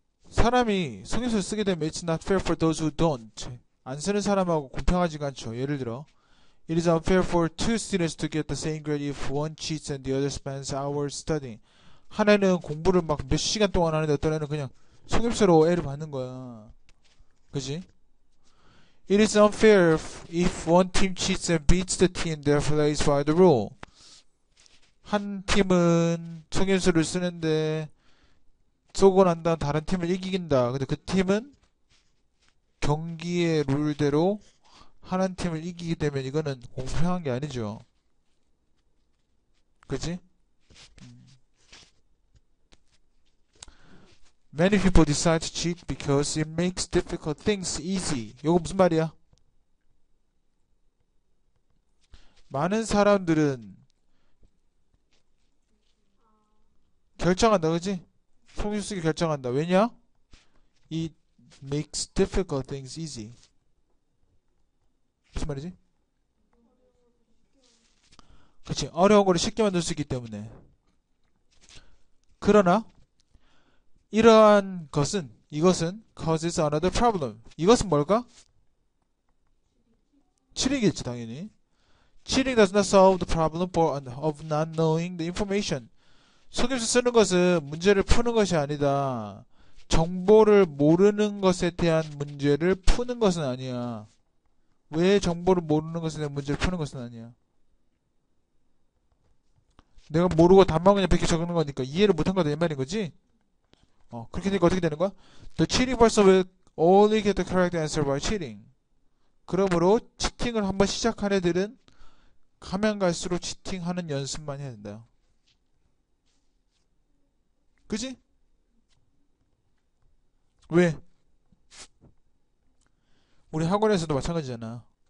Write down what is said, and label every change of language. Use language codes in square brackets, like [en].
[ko] 사람이 성인술 쓰게 되면 [en] it's not fair for those who don't. [ko] 안 쓰는 사람하고 공평하지가 않죠. 예를 들어. [en] It is unfair for two students to get the same grade if one cheats and the other spends hours studying. [ko] 한 애는 공부를 막몇 시간 동안 하는데 어떤 애는 그냥 속임수로 애를 받는 거야. 그지? [en] It is unfair if one team cheats and beats the team that plays by the rule. [ko] 한 팀은 속임수를 쓰는데 속고 난 다음 다른 팀을 이긴다. 근데 그 팀은 경기의 룰대로 하는 팀을 이기게 되면 이거는 공평한 게 아니죠. 그지? [en] Many people decide to cheat because it makes difficult things easy. [ko] 이거 무슨 말이야? 많은 사람들은 결정한다, 그지? 속임수 쓰기 결정한다. 왜냐? [en] It makes difficult things easy. [ko] 무슨 말이지? 그치. 어려운 걸 쉽게 만들 수 있기 때문에. 그러나 이러한 것은 이것은 [en] causes another problem. [ko] 이것은 뭘까? Cheating이겠지, 당연히. [en] Cheating does not solve the problem of not knowing the information. [ko] 속임수 쓰는 것은 문제를 푸는 것이 아니다. 정보를 모르는 것에 대한 문제를 푸는 것은 아니야. 왜 정보를 모르는 것에 대한 문제를 푸는 것은 아니야? 내가 모르고 답만 그냥 100개 적는 거니까 이해를 못한 거다, 이 말인 거지? 그렇게 되니까 어떻게 되는 거야? [en] The cheating person will only get the correct answer by cheating. [ko] 그러므로 치팅을 한번 시작한 애들은 가면 갈수록 치팅하는 연습만 해야 된다. 그지? 왜? 우리 학원에서도 마찬가지잖아.